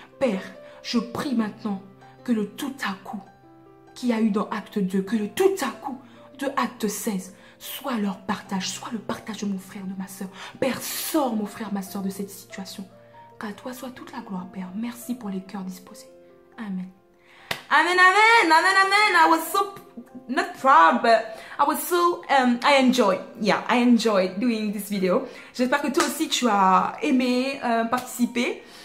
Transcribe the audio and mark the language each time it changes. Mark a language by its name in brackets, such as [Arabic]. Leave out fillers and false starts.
[French] Père, je prie maintenant que le tout à coup qu'il y a eu dans acte 2, que le tout à coup de acte 16 soit leur partage, soit le partage de mon frère, de ma soeur. Père, sors mon frère, ma soeur de cette situation. qu'à toi soit toute la gloire, Père. Merci pour les cœurs disposés. Amen. Amen, amen, amen, amen. [English] I was so not proud, but I was so I enjoy. Yeah, I enjoy doing this video. [French] J'espère que toi aussi tu as aimé participer.